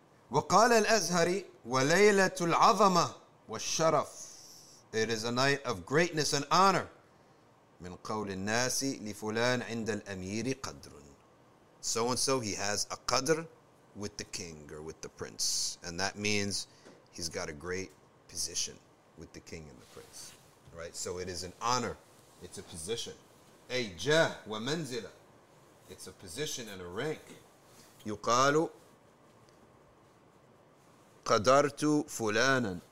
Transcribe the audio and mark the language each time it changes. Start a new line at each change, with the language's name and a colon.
Arabic: وقال الأزهر وليلة العظمة والشرف.
English: It is a night of greatness and honor.
Arabic: من قول الناس لفلان عند الأمير قدر.
English: So-and-so, he has a qadr with the king or with the prince. And that means he's got a great position with the king and the prince. Right? So it is an honor. It's a position.
Arabic: أي جاء ومنزلة.
English: It's a position and a rank.
Arabic: يقال قدرت فلانا.